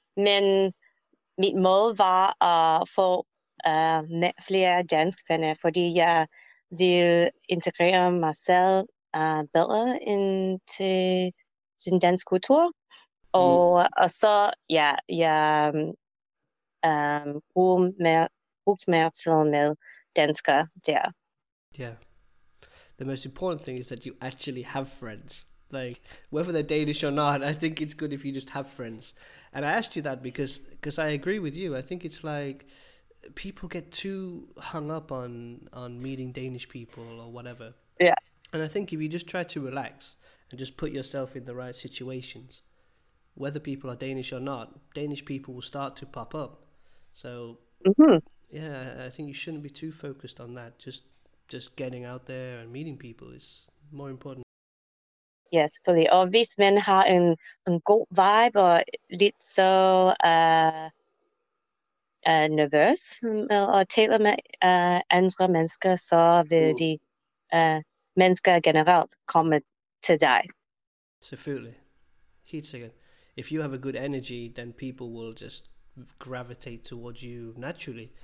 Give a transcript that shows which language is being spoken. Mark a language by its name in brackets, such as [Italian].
[Danish] Men mit mål var at få flere danske venner, fordi jeg vil integrere mig selv bedre ind til den danske kultur. Og så, ja, jeg brugte mere tid med danskere der. [English] Yeah. The most important thing is that you actually have friends. Like, whether they're Danish or not, I think it's good if you just have friends. And I asked you that because I agree with you. I think it's like people get too hung up on meeting Danish people or whatever. And I think if you just try to relax and just put yourself in the right situations, whether people are Danish or not, Danish people will start to pop up. So yeah, I think you shouldn't be too focused on that. Just just getting out there and meeting people is more important. [Danish] Ja, selvfølgelig. Og hvis man har en god vibe og lidt så nervøs og taler med andre mennesker, så vil de mennesker generelt komme til dig. Selvfølgelig. Helt sikkert. [English] If you have a good energy, then people will just gravitate towards you naturally.